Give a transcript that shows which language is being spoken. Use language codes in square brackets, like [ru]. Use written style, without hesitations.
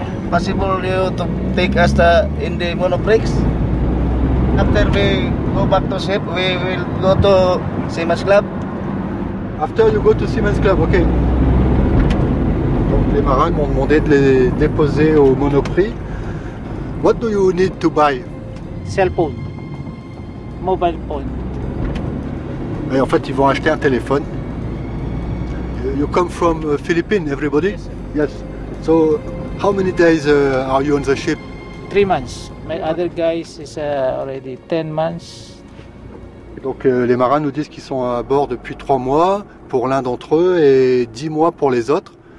[en] Possible you to take us in the monoplex? After we go back to ship, we will go to Seamen's Club. After you go to Seamen's Club, okay. [fr] Les marins m'ont demandé de les déposer au Monoprix. [en] What do you need to buy? Cell phone. Mobile phone. [fr] Et en fait, ils vont acheter un téléphone. [en] You come from Philippines, everybody? Yes, Yes. So, how many days are you on the ship? 3 months. My other guys is already 10 months. [fr] Donc les marins nous disent qu'ils sont à bord depuis 3 mois pour l'un d'entre eux et 10 mois pour les autres.